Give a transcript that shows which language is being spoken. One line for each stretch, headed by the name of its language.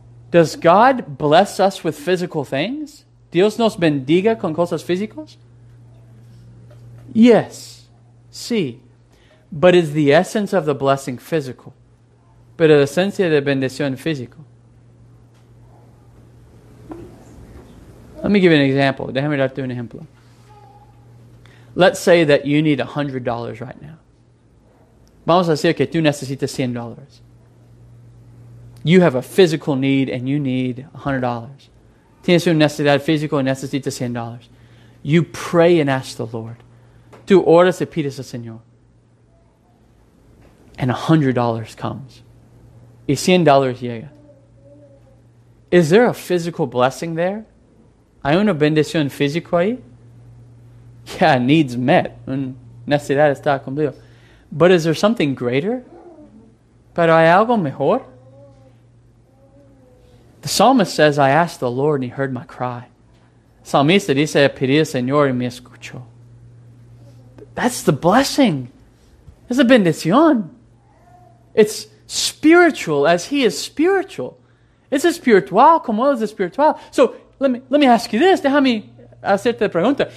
English: Does God bless us with physical things?
Spanish: ¿Dios nos bendiga con cosas físicas?
English: Yes.
Spanish: Sí.
English: But is the essence of the blessing physical?
Spanish: Pero la esencia de bendición física.
English: Let me give you an example.
Spanish: Déjame darte un ejemplo.
English: Let's say that you need $100 right now.
Spanish: Vamos a decir que tú necesitas $100.
English: You have a physical need and you need $100.
Spanish: Tienes una necesidad física y necesitas $100.
English: You pray and ask the Lord.
Spanish: Tú oras y pides al Señor.
English: And $100 comes.
Spanish: Y $100 llega.
English: Is there a physical blessing there?
Spanish: ¿Hay una bendición física ahí?
English: Yeah, needs met.
Spanish: Una necesidad está cumplida.
English: But is there something greater?
Spanish: ¿Pero hay algo mejor?
English: The psalmist says, I asked the Lord and he heard my cry.
Spanish: Salmista dice, pedí al Señor y me escuchó.
English: That's the blessing.
Spanish: Es la bendición.
English: It's spiritual as he is spiritual.
Spanish: Es espiritual como él es espiritual.
English: So let me ask you this.
Spanish: Déjame hacerte la pregunta.